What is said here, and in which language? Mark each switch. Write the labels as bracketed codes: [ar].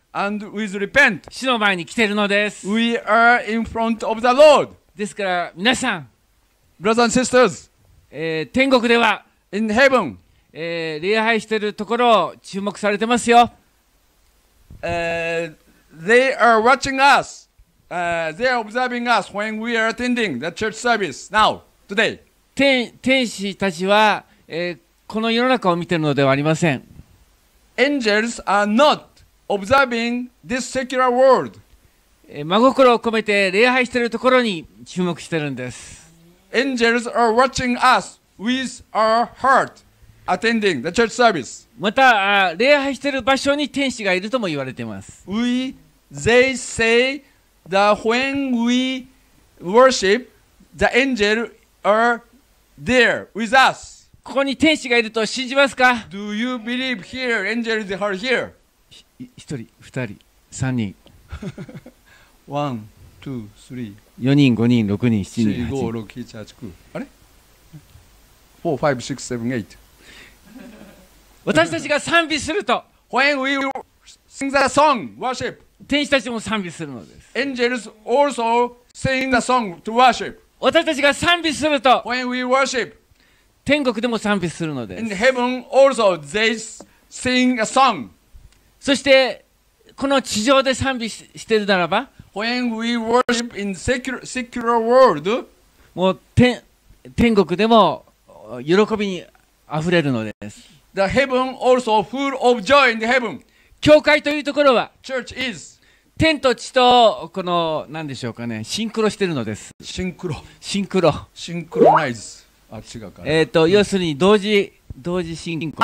[en] and with repent [ja] 主の前に来ているのです。 [en] We are in front of the Lord [ja] ですから皆さん [en] Brothers and sisters [ja] 天国では [en] in heaven [ja] 礼拝しているところを注目されてますよ。 [en] They are watching us. They are observing us when we are attending the church service now, today. [ja] 天使たちは、この世の中を見ているのではありません。 [en] Angels are not observing this secular world. [ja] 真心を込めて礼拝しているところに注目しているんです。 [en] Angels are watching us with our heart. Attending the church service. [ja] また礼拝している場所に天使がいるとも言われています。 [en] They say that when we worship, the angels are there with us. [ja] ここに天使がいると信じますか？ [en] Do you believe here angels are here? [ja] 一人、二人、三人。 [en] One, two, three. [ja] 四人、五人、六人、七人、八人。四、五、六、七、八、九。あれ？ [en] Four, five, six, seven, eight. [ja] 私たちが賛美すると [en] When we sing the song, worship, [ja] 天使たちも賛美するのです。 [en] Angels also sing the song to worship. [ja] 私たちが賛美すると [en] When we worship, [ja] 天国でも賛美するのです。 [en] In heaven also they sing a song. [ja] そしてこの地上で賛美 しているならば [en] When we worship in secular world, [ja] もう天国でも喜びにあふれるのです。 [en] The heaven also full of joy in the heaven. [ja] 教会というところは [en] Church is [ja] 天と地とこの何でしょうかねシンクロしているのです。シンクロシンクロシンクロナイズあ違うか要するに同時シンクロ